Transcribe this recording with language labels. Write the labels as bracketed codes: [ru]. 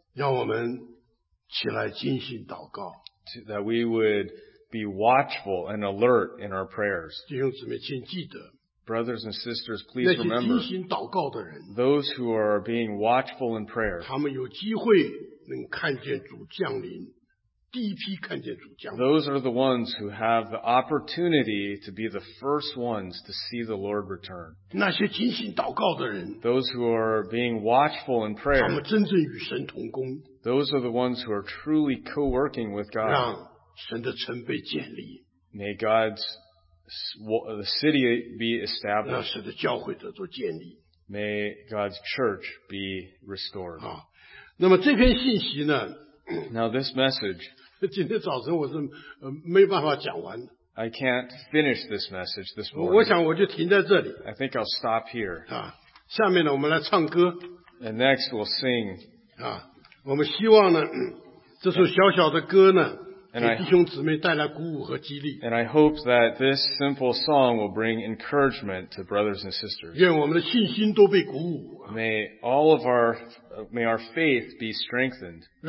[zh] 让我们起来警醒祷告。 [en] That we would be watchful and alert in our prayers. [zh] 弟兄姊妹，请记得。 [en] Brothers and sisters, please remember. [zh] 那些精心祷告的人。 [en] Those who are being watchful in prayer. [zh] 他们有机会能看见主降临，第一批看见主降临。 [en] Those are the ones who have the opportunity to be the first ones to see the Lord return. [zh] 那些精心祷告的人。 [en] Those who are being watchful in prayer. [zh] 他们真正与神同工。 [en] Those are the ones who are truly co-working with God. [zh] 让神的城被建立。 [en] May God's city be established. [zh] 让神的教会得到建立。 [en] May God's church be restored. [zh] 好，那么这篇信息呢？ [en] Now this message. [zh] 今天早晨我是没办法讲完。 [en] I can't finish this message this morning. I think I'll stop here. [zh] 啊, 下面呢, [en] and next we'll sing. [zh] 啊, 我们希望呢, 这首小小的歌呢, [en] And I hope that this simple song will bring encouragement to brothers and sisters. May our faith be strengthened.